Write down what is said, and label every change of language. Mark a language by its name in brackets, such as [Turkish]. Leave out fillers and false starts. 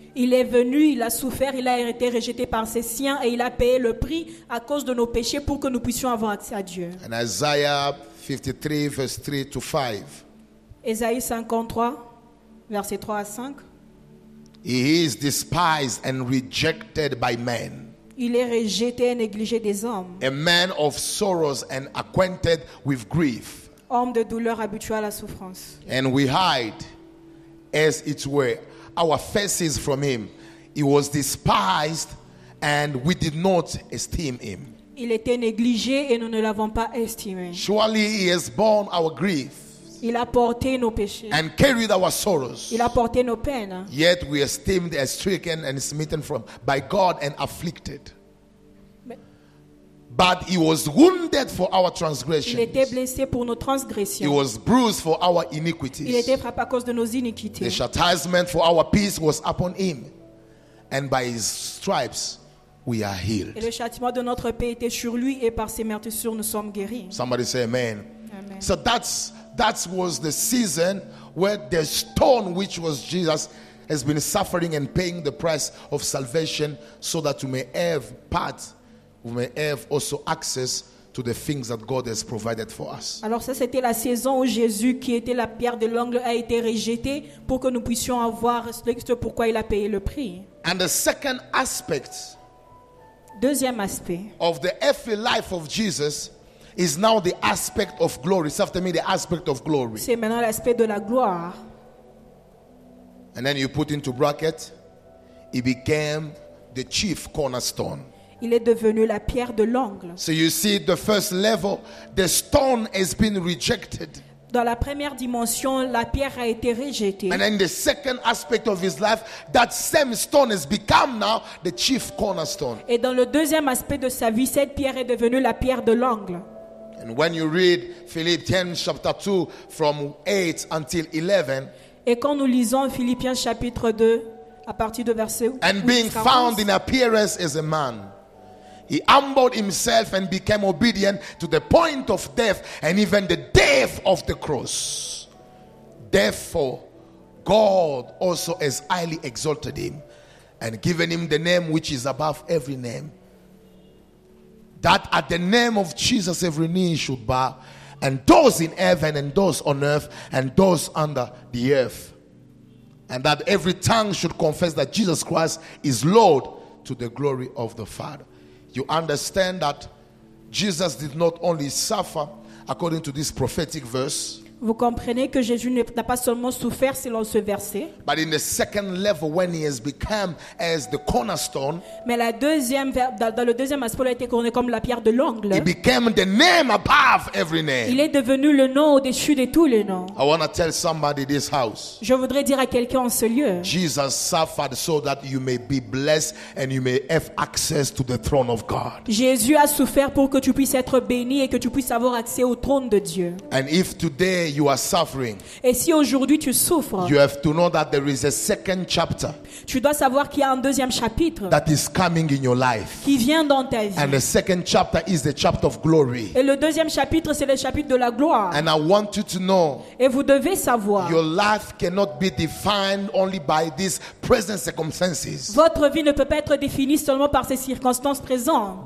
[French] Il est venu, il a souffert, il a été rejeté par ses siens, et il a payé le prix à cause de nos péchés pour que nous puissions avoir accès à Dieu. [English] And Isaiah 53, verse 3 to 5. [French] Esaïe 53, verset 3 à 5. [English] He is despised and rejected by men. [French] Il est rejeté et négligé des hommes. [English] A man of sorrows and acquainted with grief. [French] Homme de douleur habitué à la souffrance. [English] And we hide, as it were, our faces from him. He was despised and we did not esteem him. [French] Il était négligé et nous ne l'avons pas estimé. [English] Surely he has borne our grief. [French] Il a porté nos péchés. [English] And carried our sorrows. [French] Il a porté nos peines. [English] Yet we esteemed as stricken and smitten from by God and afflicted. But he was wounded for our transgressions. [French] Il était blessé pour nos transgressions. [English] He was bruised for our iniquities. [French] Il était frappé à cause de nos iniquités. [English] The chastisement for our peace was upon him, and by his stripes we are healed. [French] Et le châtiment de notre paix était sur lui, et par ses meurtrissures nous sommes guéris. [English] Somebody say amen. [French] Amen. [English] So that's. That was the season where the stone, which was Jesus, has been suffering and paying the price of salvation, so that we may have part, we may have also access to the things that God has provided for us. [French] Alors ça c'était la saison où Jésus, qui était la pierre de l'angle, a été rejeté pour que nous puissions avoir ce pourquoi il a payé le prix. [English] And the second aspect, [French] deuxième aspect, [English] of the earthly life of Jesus. Is now the aspect of glory. So after me, the aspect of glory. [French] C'est maintenant l'aspect de la gloire. [English] And then you put into bracket, he became the chief cornerstone. [French] il est devenu la pierre de l'angle. [English] So you see, the first level, the stone has been rejected. [French] Dans la première dimension, la pierre a été rejetée. [English] And in the second aspect of his life, that same stone has become now the chief cornerstone. [French] Et dans le deuxième aspect de sa vie, cette pierre est devenue la pierre de l'angle. [English] And when you read Philippians chapter 2 from 8 until 11, [French] et quand nous lisons Philippiens chapitre 2 à partir de verset 11, [English] and being found in appearance as a man, he humbled himself and became obedient to the point of death and even the death of the cross. Therefore, God also has highly exalted him and given him the name which is above every name, that at the name of Jesus every knee should bow, and those in heaven and those on earth and those under the earth, and that every tongue should confess that Jesus Christ is Lord, to the glory of the Father. You understand that Jesus did not only suffer according to this prophetic verse. [French] Vous comprenez que Jésus n'a pas seulement souffert selon ce verset. [English] But in the second level, when he has become as the cornerstone. [French] Mais la deuxième, dans le deuxième aspect, il a été couronné comme la pierre de l'angle. [English] He became the name above every name. [French] Il est devenu le nom au-dessus de tous les noms. [English] I want to tell somebody this house. [French] Je voudrais dire à quelqu'un en ce lieu. [English] Jesus suffered so that you may be blessed and you may have access to the throne of God. [French] Jésus a souffert pour que tu puisses être béni et que tu puisses avoir accès au trône de Dieu. [English] And if today you are suffering, [French] et si aujourd'hui tu souffres, [English] you have to know that there is a second chapter. [French] Tu dois savoir qu'il y a un deuxième chapitre [English] that is coming in your life. [French] Qui vient dans ta vie. [English] And the second chapter is the chapter of glory. [French] Et le deuxième chapitre c'est le chapitre de la gloire. [English] And I want you to know. [French] Et vous devez savoir. [English] Your life cannot be defined only by these present circumstances. [French] Votre vie ne peut pas être définie seulement par ces circonstances présentes.